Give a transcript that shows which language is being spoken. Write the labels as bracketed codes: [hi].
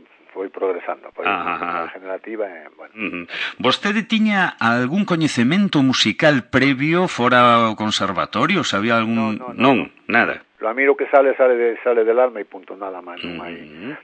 [gl] foi progresando, foi degenerativa, bueno. Uh-huh. Vostede tiña algún coñecemento musical previo fora o conservatorio? Sabía algún non. Nada. [es] Lo a mí lo que sale del alma y punto, nada más. Uh-huh.